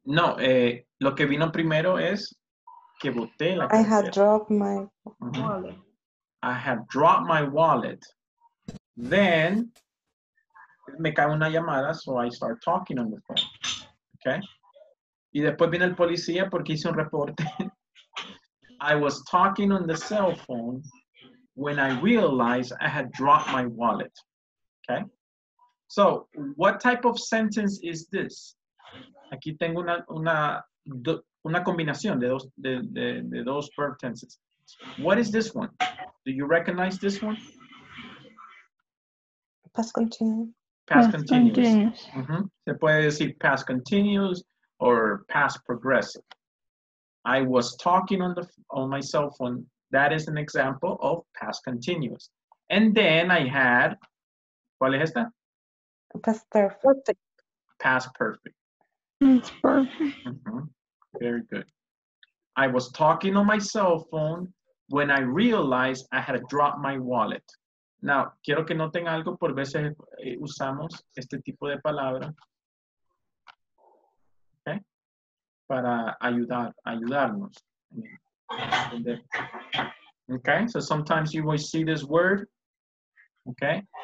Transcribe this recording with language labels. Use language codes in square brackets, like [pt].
[es] No, lo que vino primero es que boté la [en] cartera. I had dropped my wallet. I had dropped my wallet. Then, [es] me cae una llamada, [en] so I start talking on the phone. Okay? [es] Y después viene el policía porque hice un reporte. [en] I was talking on the cell phone when I realized I had dropped my wallet. Okay? So, what type of sentence is this? [es] Aquí tengo una combinación de dos verb tenses. [en] What is this one? Do you recognize this one? Past continuous. Past continuous. Mm-hmm. [es] Se puede decir [en] past continuous or past progressive. I was talking on my cell phone. That is an example of past continuous. And then I had, [es] ¿cuál es esta? [en] Past perfect. Past perfect. It's perfect. Mm-hmm. Very good. I was talking on my cell phone when I realized I had dropped my wallet. [es] Now, quiero que noten algo, por veces usamos este tipo de palabra, okay, para ayudarnos. [en] Okay, so sometimes you will see this word, okay?